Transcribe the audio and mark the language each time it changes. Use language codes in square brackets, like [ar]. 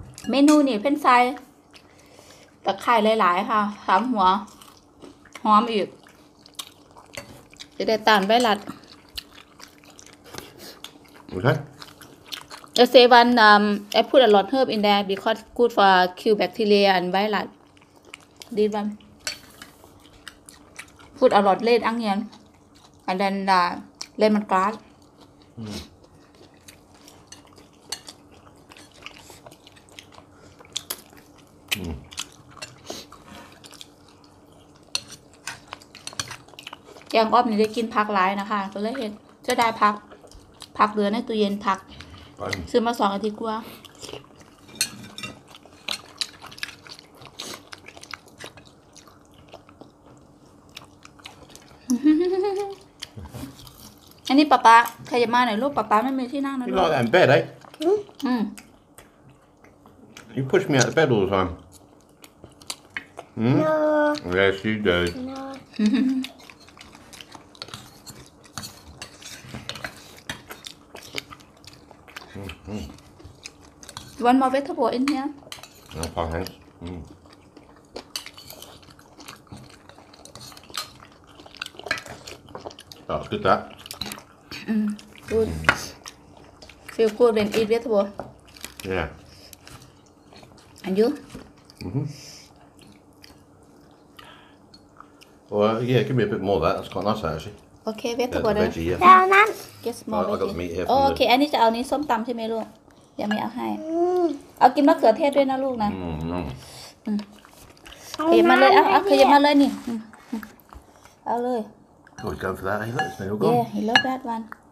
[th] เมนูนี่เพิ่นใส่ตะไคร้หลายๆค่ะสามหัวหอมอีกจะได้ต้านไวรัส โอเค [en] I say when I put a lot of herb in there because good for kill bacteria and virus [th] ดีมั้ย [en] put a lot of red onion and then lemon grass. [th] ยังอ้อมนี่ได้กินผักหลายนะคะก็เลยเห็นจะได้ผักผักเหลือในตู้เย็นผักซื้อมา2อาทิตย์กว่าอันนี้ป๊าป๊าใครจะมาหน่อยลูกป๊าป๊าไม่มีที่นั่งนะลูก [en] You like that in bed, eh? You push me out of bed all the time. No. Yes, you do. No. You want more vegetable in here? No, fine, thanks. Oh, it's good, that. Good. Feel good when eat vegetable. Yeah. And you? Well, yeah, give me a bit more of that. That's quite nice, actually. Okay, vegetable. Yeah, veggie, yeah. Down, man. Get some more veggie. I got the meat here. Oh, okay. [th] อันนี้จะเอานี้ส้มตำใช่ไหมลูกยังไม่เอาให้เอากินมะเขือเทศด้วยนะลูกนะเอามาเลยเอาขยับมาเลยนี่เอาเลย [en] Good going for that. He looks very good. Yeah, he loves that one.